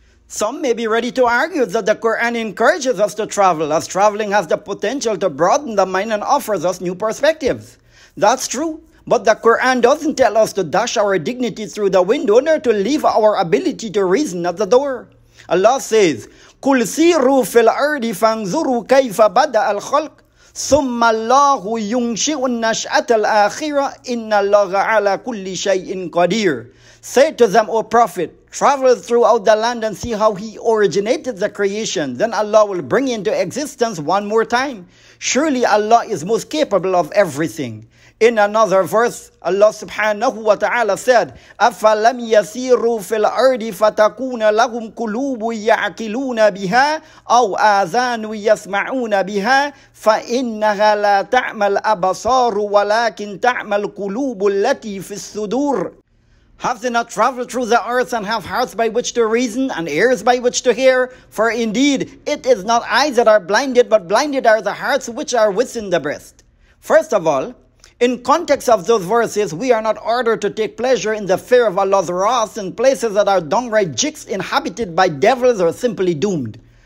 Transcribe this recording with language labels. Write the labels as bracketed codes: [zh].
[en] Some may be ready to argue that the Quran encourages us to travel, as traveling has the potential to broaden the mind and offers us new perspectives. That's true. But the Quran doesn't tell us to dash our dignity through the window nor to leave our ability to reason at the door. Allah says, [ar] قُلْ سِيرُوا فِي الْأَرْضِ فَانْظُرُوا كَيْفَ بَدَأَ الْخَلْقُ ثُمَّ اللَّهُ يُنْشِئُ النَّشْأَةَ الْآخِرَةِ إِنَّ اللَّهَ عَلَى كُلِّ شَيْءٍ قَدِيرٌ. [en] Say to them, O Prophet, travel throughout the land and see how He originated the creation. Then Allah will bring into existence one more time. Surely Allah is most capable of everything. In another verse, Allah subhanahu wa ta'ala said, [ar] أَفَلَمْ يَسِيرُوا فِي الْأَرْضِ فَتَكُونَ لَهُمْ قُلُوبٌ يَعْقِلُونَ بِهَا أَوْ آذَانٌ يَسْمَعُونَ بِهَا فَإِنَّهَا لَا تَعْمَى الْأَبْصَارُ وَلَكِنْ تَعْمَى الْقُلُوبُ الَّتِي فِي الصُّدُورِ. [en] Have they not traveled through the earth and have hearts by which to reason and ears by which to hear? For indeed, it is not eyes that are blinded, but blinded are the hearts which are within the breast. First of all, in context of those verses, we are not ordered to take pleasure in the fear of Allah's wrath in places that are downright jicks inhabited by devils or simply doomed.